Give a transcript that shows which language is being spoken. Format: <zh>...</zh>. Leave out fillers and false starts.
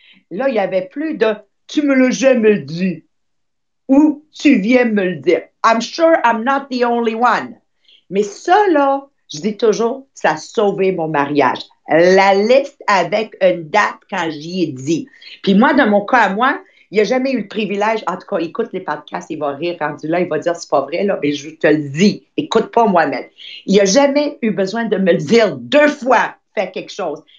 <fr>Là, il n'y avait plus de « tu me l'as jamais dit » ou « tu viens me le dire ».</fr> <en>I'm sure I'm not the only one.</en> <fr>Mais ça, là, je dis toujours, ça a sauvé mon mariage. La liste avec une date quand j'y ai dit. Puis moi, dans mon cas à moi, il n'y a jamais eu le privilège. En tout cas, écoute les podcasts, il va rire rendu là, il va dire « c'est pas vrai, là, mais je te le dis, écoute pas moi-même ». Il n'y a jamais eu besoin de me le dire deux fois, faire quelque chose.</fr>